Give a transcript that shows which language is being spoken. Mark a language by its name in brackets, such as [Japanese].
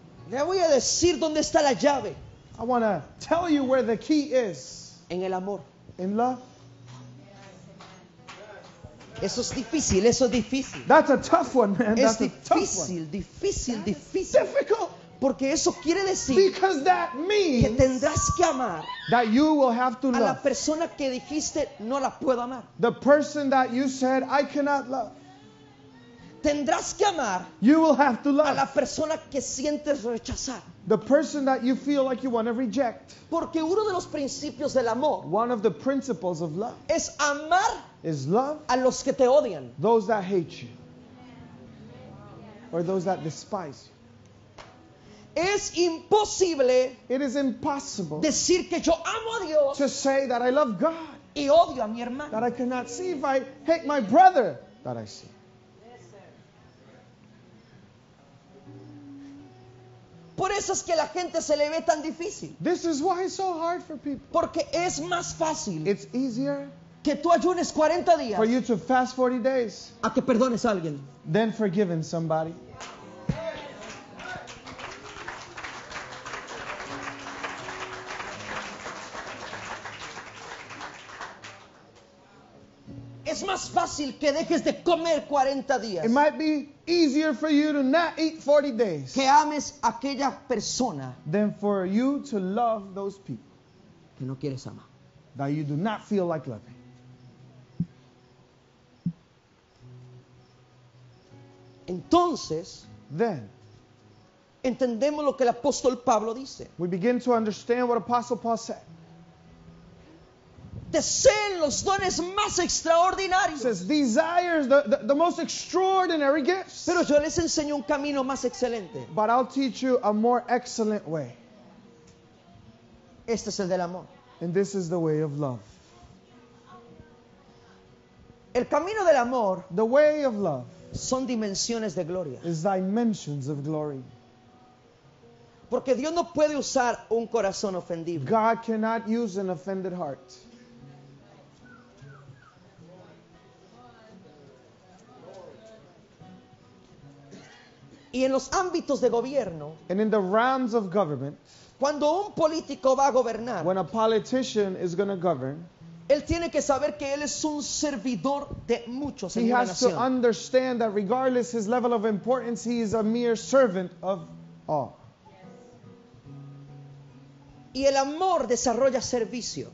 [Spanish] Le voy a decir dónde está la llave. [English] I want to tell you where the key is. [Spanish] En el amor. [English] In love. [Spanish] Eso es difícil, eso es difícil. [English] That's a tough one, man. [Spanish] Es difícil, [English] a tough [Spanish] difícil, [English] one. Difficult. [Spanish] Porque eso quiere decir. [English] Because that means. [Spanish] Que tendrás que amar. [English] That you will have to [Spanish] a [English] love. [Spanish] A la persona que dijiste no la puedo amar. [English] The person that you said I cannot love. [Spanish] Tendrás que amar. [English] You will have to love. [Spanish] A la persona que sientes rechazar. [English] The person that you feel like you want to reject. [Spanish] Porque uno de los principios del amor. [English] One of the principles of love. [Spanish] Es amar. [English] Is love. [Spanish] A los que te odian. [English] Those that hate you. Or those that despise you. [Spanish] Es imposible. [English] It is impossible. [Spanish] Decir que yo amo a Dios. [English] To say that I love God. [Spanish] Y odio a mi hermano. [English] That I cannot see if I hate my brother. That I see. [Spanish] Por veces que la gente se le ve tan difícil. [English] This is why it's so hard for people. [Spanish] Porque es más fácil. [English] It's easier. [Spanish] Que tú ayunes 40 días. [English] For you to fast 40 days. [Spanish] A que perdones a alguien. [English] Than forgiving somebody. [Spanish] Es más fácil que dejes de comer 40 días. [English] It might be easier for you to not eat 40 days. [Spanish] Que ames a aquella persona. [English] Than for you to love those people. [Spanish] Que no quieres amar. [English] That you do not feel like loving. [Spanish] Entonces, [English] then, [Spanish] entendemos lo que el apóstol Pablo dice. [English] We begin to understand what Apostle Paul said. [Spanish] Deseen los dones más extraordinarios. [English] He says, desires the most extraordinary gifts. [Spanish] Pero yo les enseño un camino más excelente. [English] But I'll teach you a more excellent way. [Spanish] Este es el del amor. [English] And this is the way of love. [Spanish] El camino del amor. [English] The way of love. [Spanish] Son dimensiones de gloria. [English] Is dimensions of glory. [Spanish] Porque Dios no puede usar un corazón ofendible. [English] God cannot use an offended heart. [Spanish] Y en los ámbitos de gobierno, [English] and in the realms of government, [Spanish] cuando un político va a gobernar, [English] when a politician is going to govern, [Spanish] él tiene que saber que él es un servidor de muchos en una nación. [English] He has to understand that regardless his level of importance, he is a mere servant of all. [Spanish] Y el amor desarrolla servicio.